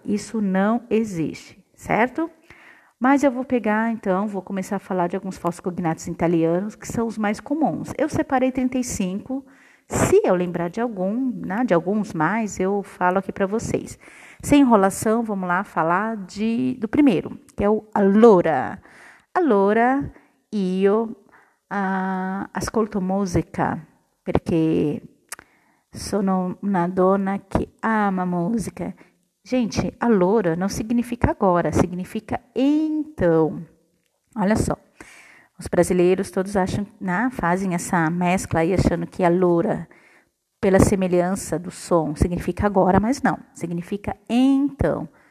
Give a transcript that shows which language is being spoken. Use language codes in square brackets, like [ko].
[pt] Isso não existe, certo? Mas eu vou pegar, então, vou começar a falar de alguns falsos cognatos italianos, que são os mais comuns. Eu separei 35. Se eu lembrar de algum, né, de alguns mais, eu falo aqui para vocês. Sem enrolação, vamos lá falar do primeiro, que é o allora. [it] Allora io ascolto musica perché sono una donna che ama musica. [pt] Gente, allora não significa agora, significa então. Olha só. Os brasileiros todos acham, né, fazem essa mescla aí achando que allora, pela semelhança do som, significa agora, mas não, significa então.